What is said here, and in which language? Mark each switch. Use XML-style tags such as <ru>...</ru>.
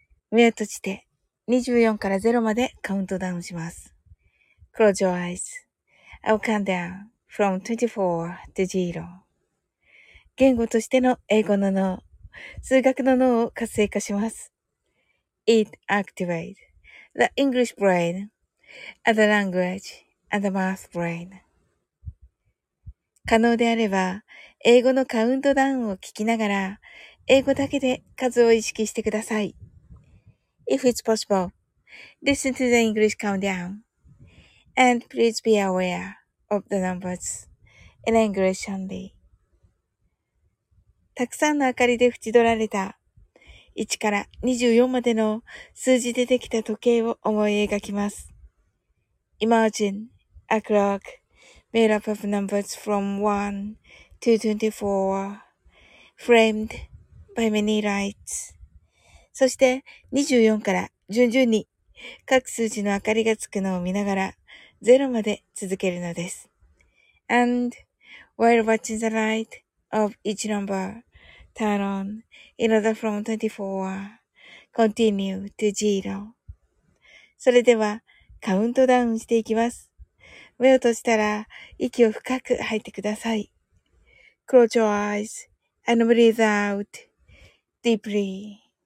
<ja>目を閉じて24から0までカウントダウンします。</ja> <en>Close your eyes. I'll count down from 24 to 0.</en> <ja>言語としての英語の脳、数学の脳を活性化します。</ja> <en>It activates the English brain and the language and the math brain.</en> <ja>可能であれば、英語のカウントダウンを聞きながら、英語だけで数を意識してください。</ja> <en>If it's possible, listen to the English countdown. And please be aware of the numbers in English only.</en> <ja>たくさんの明かりで縁取られた1から24までの数字でできた時計を思い描きます。</ja> <en>Imagine a clock made up of numbers from 1 to 24, framed by many lights.</en> <ja>そして24から順々に各数字の明かりがつくのを見ながら0まで続けるのです。</ja> <en>And while watching the light of each number,Turn on in order from 24, continue to zero.</en> <ja>それでは、カウントダウンしていきます。目を閉じたら、息を深く吐いてください。</ja> <en>Close your eyes and breathe out deeply.</en>